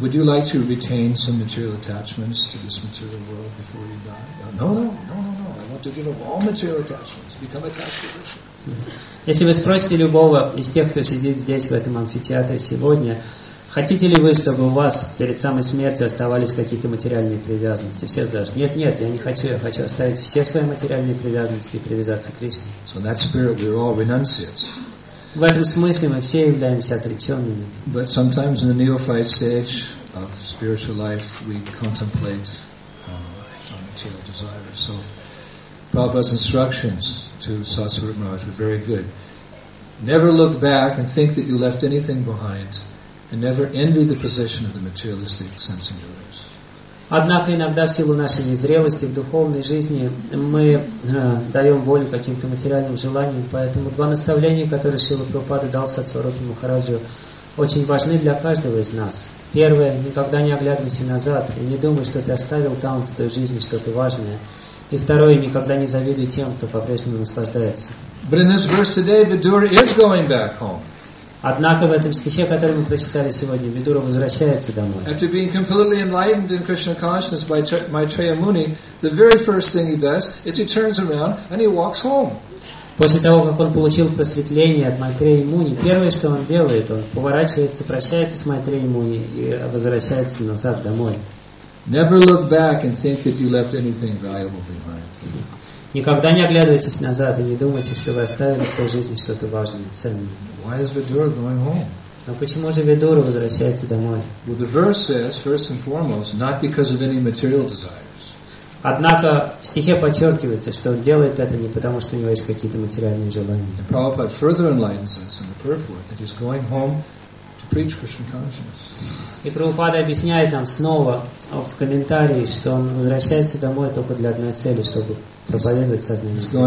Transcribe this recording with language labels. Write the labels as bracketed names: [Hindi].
[English] Would you like to retain some material attachments to this material world before you die? No. I want to give up all material attachments. Become attached to Krishna. [Russian] Если вы спросите любого из тех, кто сидит здесь, в этом амфитеатре сегодня, хотите ли вы, чтобы у вас перед самой смертью оставались какие-то материальные привязанности? Все скажут, нет, я не хочу, я хочу оставить все свои материальные привязанности и привязаться к Кришне. [English] So in that spirit we're all renunciates. [Russian] В этом смысле мы все являемся отреченными. [English] But sometimes in the neophyte stage of spiritual life we contemplate our material desires. So Prabhupada's instructions to Saraswati Maharaj were very good. Never look back and think that you left anything behind, and never envy the position of the materialistic sensing doers. [Russian] Однако иногда в силу нашей незрелости в духовной жизни мы даем волю каким-то материальным желаниям, поэтому два наставления, которые Шрила Прабхупада дал Сатсварупе Махараджу, очень важны для каждого из нас. Первое, никогда не оглядывайся назад и не думай, что ты оставил там в той жизни что-то важное. И второе, никогда не завидуй тем, кто по-прежнему наслаждается. [English] But in this verse today, Vidura is going back home. [Russian] Однако в этом стихе, который мы прочитали сегодня, Видура возвращается домой. [English] After being completely enlightened in Krishna consciousness by Maitreya Muni, the very first thing he does is he turns around and he walks home. [Russian] После того, как он получил просветление от Майтреи Муни, первое, что он делает, он поворачивается, прощается с Майтреей Муни и возвращается назад домой. [English] Never look back and think that you left anything valuable behind. [Russian] Никогда не оглядывайтесь назад и не думайте, что вы оставили в той жизни что-то важное, ценное. [English] Why is Vidura going home? [Russian] Но почему же Видура возвращается домой? [English] Well, the verse says, first and foremost, not because of any material desires. [Russian] Однако в стихе подчеркивается, что он делает это не потому, что у него есть какие-то материальные желания. [English] And Prabhupada further enlightens us in the purport that he's going home to preach Krishna consciousness. [Russian] И Прабхупада объясняет нам снова в комментарии, что он возвращается домой только для одной цели, чтобы проповедовать сознание.